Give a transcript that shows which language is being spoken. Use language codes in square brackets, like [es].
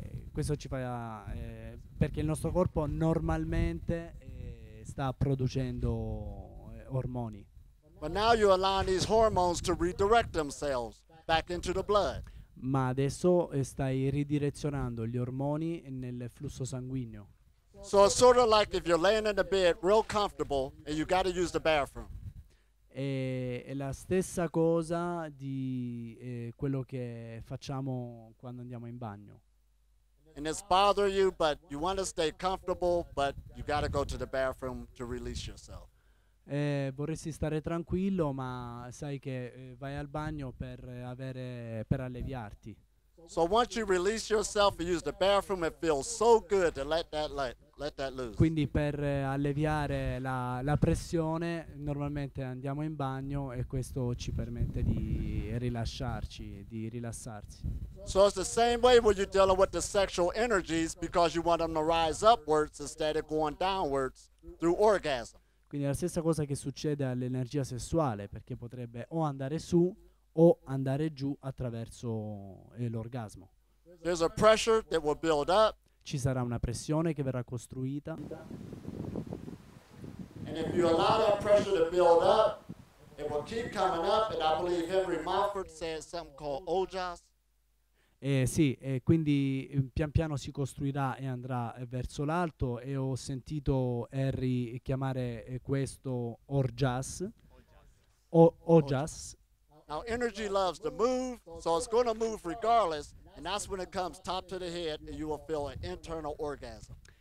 [it] Questo ci fa perché il nostro corpo normalmente sta producendo ormoni. [en] But now you allow these hormones to redirect themselves back into the blood. [it] Ma adesso stai ridirezionando gli ormoni nel flusso sanguigno. [en] So it's sort of like if you're laying in the bed real comfortable and you got to use the bathroom. [it] È la stessa cosa di quello che facciamo quando andiamo in bagno. [en] And it's bothering you, but you want to stay comfortable, but you got to go to the bathroom to release yourself. [it] Vorresti stare tranquillo, ma sai che vai al bagno per alleviarti. [en] So once you release yourself and use the bathroom, it feels so good to let that loose. [it] Quindi per alleviare la pressione, normalmente andiamo in bagno e questo ci permette di rilasciarci, di rilassarsi. [en] So it's the same way when you're dealing with the sexual energies because you want them to rise upwards instead of going downwards through orgasm. [it] Quindi è la stessa cosa che succede all'energia sessuale, perché potrebbe o andare su o andare giù attraverso l'orgasmo. [en] There's a pressure that will build up. [it] Ci sarà una pressione che verrà costruita. [en] And if you allow that pressure to build up, it will keep coming up, and I believe Henry Mofford said something called ojas. [it] Quindi pian piano si costruirà e andrà verso l'alto, e ho sentito Harry chiamare questo orgas. [en] Ojas. Now energy loves to move, so it's going to move regardless, and that's when it comes top to the head and you will feel an internal orgasm.